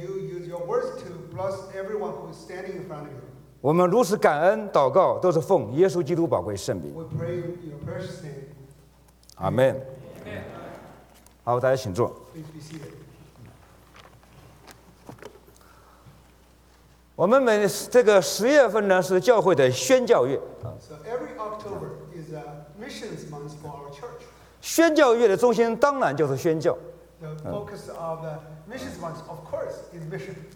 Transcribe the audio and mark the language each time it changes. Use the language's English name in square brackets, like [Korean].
[English] you use your words to bless everyone who is standing in front of you. [Chinese] 我们如此感恩祷告，都是奉耶稣基督宝贵圣名。 [English] We pray in your precious name. Amen. [Chinese] 好，大家请坐。我们每这个十月份呢是教会的宣教月。 [English] So every October is a missions month for our church. [Chinese] 宣教月的中心当然就是宣教。 [English] The focus of the missions month, of course, is mission.